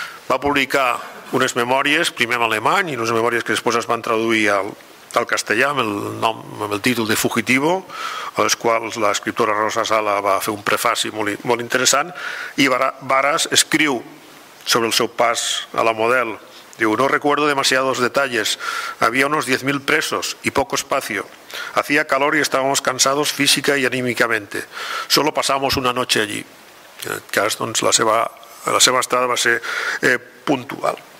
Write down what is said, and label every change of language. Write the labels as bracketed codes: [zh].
[ca] Va publicar unes memòries, primer en alemany, i unes memòries que després es van traduir al castellà amb el títol de Fugitivo, a les quals l'escriptora Rosa Sala va fer un prefaci molt, molt interessant, i Varas escriu sobre el seu pas a la Model. [es] Diu: no recuerdo demasiados detalles, había unos 10.000 presos y poco espacio. Hacía calor y estábamos cansados física y anímicamente. Solo pasamos una noche allí. [ca] En aquest cas, doncs, la seva estada va ser puntual.